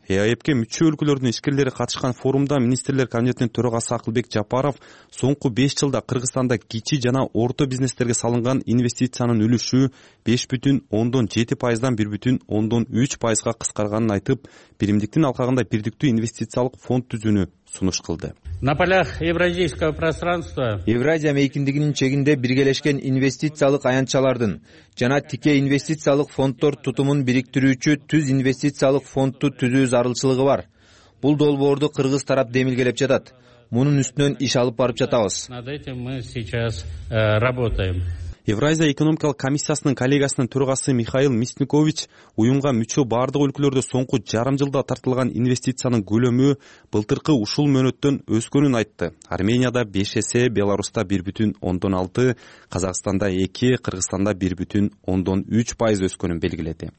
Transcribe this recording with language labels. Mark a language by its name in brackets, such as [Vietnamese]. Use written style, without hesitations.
[Kyrgyz] ЕАЭПке мүчө өлкөлөрдүн ишкерлери катышкан форумда министрлер кабинетинин төрагасы Акылбек Жапаров соңку 5 жылда Кыргызстанда кичи жана орто бизнестерге салынган инвестициянын үлүшү 5.7%-дан 1.3%-ка кыскарганын айтып, биримдиктин алкагында бирдиктүү инвестициялык фонд түзүүнү сунуш кылды. [Russian] На полях евразийского пространства [Kyrgyz] Евразия мейкиндигинин чегинде биргелешкен инвестициялык аянтчалардын жана тике инвестициялык фонддор тутумун бириктирүүчү түз инвестициялык фондду түзүү зарылчылыгы бар. Бул долбоорду кыргыз тарап демилгелеп жатат. Мунун үстүнөн иш алып барып жатабыз. [Russian] Над этим мы сейчас работаем. [Kyrgyz] Евразия экономикалык комиссиясынын коллегасынын төрагасы Михаил Мисникович уюмга мүчө бардык өлкөлөрдө соңку жарым жылда тартылган инвестициянын көлөмү былтыркы ушул мөөнөттөн өскөнүн айтты. Арменияда 5 эсе, Беларусьта 1.6%, Казакстанда 2, Кыргызстанда 1.3% өскөнүн белгиледи.